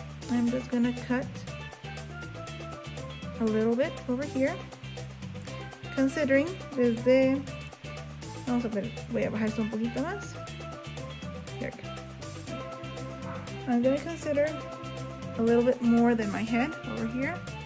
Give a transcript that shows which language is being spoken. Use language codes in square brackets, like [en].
[en] I'm just gonna cut a little bit over here. [es] Considering desde, vamos a ver, voy a bajar esto un poquito más. [en] Here we go. I'm gonna consider a little bit more than my head over here.